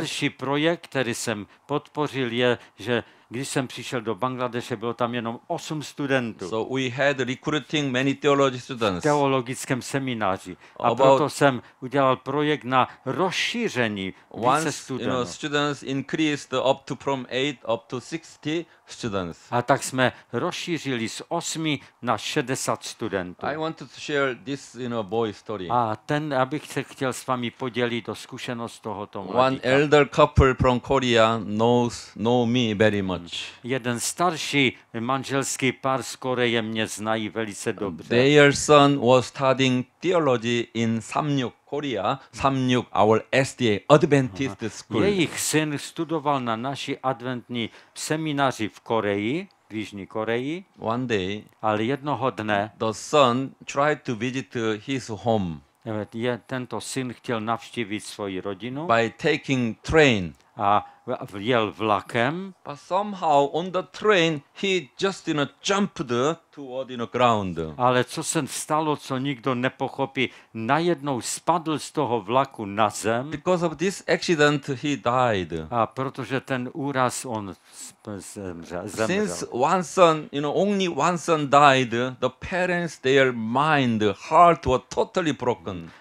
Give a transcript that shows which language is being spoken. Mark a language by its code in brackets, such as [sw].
[cs] Další projekt, který jsem podpořil, je, že když jsem přišel do Bangladeše, bylo tam jenom 8 studentů. [en] So we had recruiting many theology students. [cs] V teologickém semináři. A about proto jsem udělal projekt na rozšíření více studentů. [en] Once, you know, students increased up to from 8 up to 60 students. [cs] A tak jsme rozšířili z 8 na 60 studentů. [en] I wanted to share this, you know, boy story. [cs] A ten, abych se chtěl s vámi podělit o zkušenost tohoto mladíka. [en] One elder couple from Korea know me very much. [cs] Jeden starší manželský pár z Koreje mě znají velice dobře. [en] Their son was studying theology in Samyuk, Korea. Samyuk, our SDA, Adventist school. [cs] Jejich syn studoval na naší adventní semináři v Koreji, v Jižní Koreji. [en] One day, [cs] ale jednoho dne, [en] the son tried to visit his home. [cs] Tento syn chtěl navštívit svoji rodinu. [en] By taking train. [cs] A vjel vlakem. [en] But somehow on the train he just jumped toward the ground. [cs] Ale co se stalo, co nikdo nepochopí, najednou spadl z toho vlaku na zem. [en] Because of this accident he died. [cs] A protože ten úraz on zemřel. [en] Since one son, only one son died, the parents, their mind, heart were totally broken.